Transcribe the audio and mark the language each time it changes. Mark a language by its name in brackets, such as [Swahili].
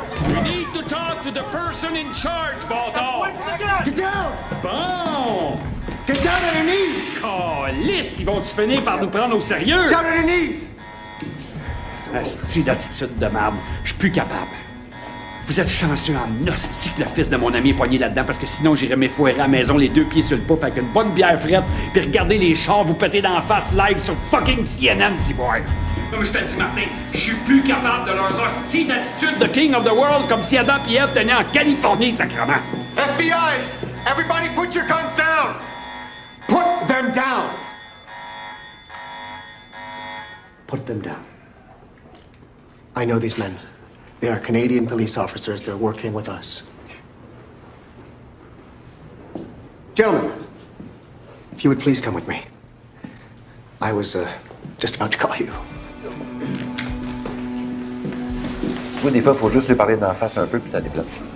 [English] We need to talk to the person in charge, Balto. Get down! [French] Bon! [English] Get down on your knees! [French] Calisse, ils vont-tu finir par nous prendre au sérieux? [English] Get down on your knees! [French] Asti d'attitude de marbre, je suis plus capable. Vous êtes chanceux en hostie que le fils de mon ami est poigné là-dedans parce que sinon j'irais m'effouer à la maison les deux pieds sur le pouf avec une bonne bière frette puis regarder les chars vous péter dans la face live sur fucking CNN, si boy. Comme je te dis, Martin, je suis plus capable de leur hostie d'attitude de [English] King of the World [French] comme si Adam et Eve tenaient en Californie, sacrement. [English] FBI, everybody put your guns down! Put them down! Put them down. I know these men. They are Canadian police officers. They're working with us. Gentlemen, if you would please come with me. I was just about to call you. [French] Tu vois, des fois, faut juste lui parler d'en face un peu, puis ça débloque.